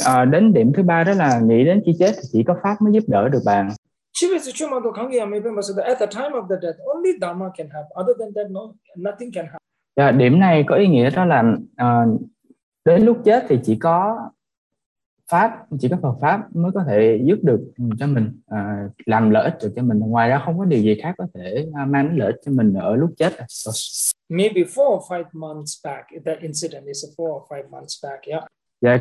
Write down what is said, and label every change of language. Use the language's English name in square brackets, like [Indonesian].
[Vietnamese] Đến điểm thứ ba đó là nghĩ đến khi chết thì chỉ có pháp mới giúp đỡ được bạn. [English] At the time of the death, only Dharma can help. Other than that, no, nothing can help. [Vietnamese] Điểm này có ý nghĩa đó là đến lúc chết thì chỉ có Phật pháp mới có thể giúp được cho mình, làm lợi ích được cho mình. Ngoài ra không có điều gì khác có thể mang lợi ích cho mình ở lúc chết. [English] Maybe 4 or 5 months back, that incident is 4 or 5 months back, yeah.